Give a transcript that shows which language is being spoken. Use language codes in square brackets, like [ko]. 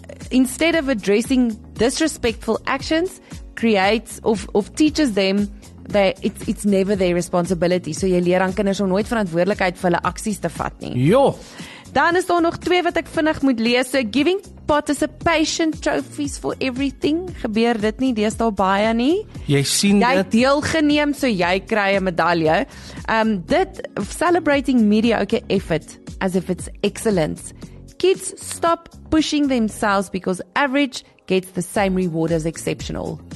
[en] Instead of addressing disrespectful actions, creates, of teaches them, that it's never their responsibility. [af] So jy leer aan kinders om nooit verantwoordelikheid vir hulle aksies te vat nie. Jo! Dan is daar nog 2 wat ek vinnig moet lees, so [en] giving participation trophies for everything. [af] Gebeur dit nie, dis daar baie nie. Jy sien jy dit. Jy het deelgeneem, so jy kry 'n medalje. [en] Dit, celebrating mediocre effort as if it's excellence. Kids stop pushing themselves because average gets the same reward as exceptional.